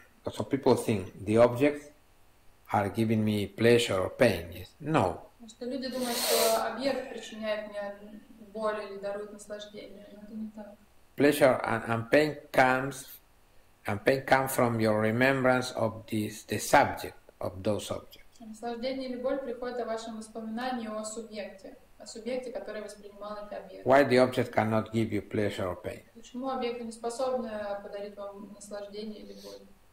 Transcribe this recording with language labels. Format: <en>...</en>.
<en>So people think the objects are giving me pleasure or pain. Yes. No.</en> <ru>Что люди думают, что объект причиняет мне боль или дарует наслаждение, но это не так.</ru> <en>Pleasure and pain comes from your remembrance of the subject of those objects.</en> <ru>Наслаждение или боль приходит от вашего воспоминания о субъекте. О субъекте, который воспринимал этот объект.</ru> <en>Why the object cannot give you pleasure or pain?</en> <ru>Почему объект не способен подарить вам наслаждение или боль?</ru>